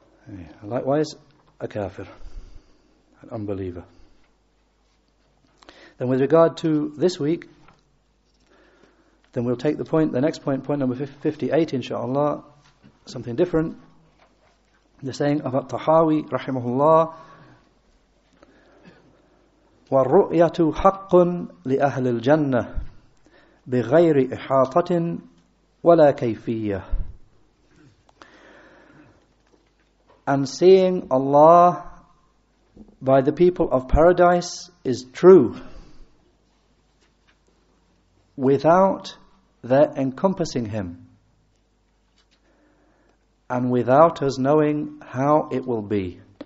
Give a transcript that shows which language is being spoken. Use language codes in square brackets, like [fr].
[en] Yeah. Likewise, a kafir, an unbeliever. Then with regard to this week, then we'll take the next point, number 58, inshaAllah, something different. The saying of [ar] At-Tahawi, rahimahullah, وَالرُّؤْيَةُ حَقٌّ لِأَهْلِ الْجَنَّةِ بِغَيْرِ إِحَاطَةٍ وَلَا كَيْفِيَّةٍ. [en] And seeing Allah by the people of Paradise is true without their encompassing Him and without us knowing how it will be.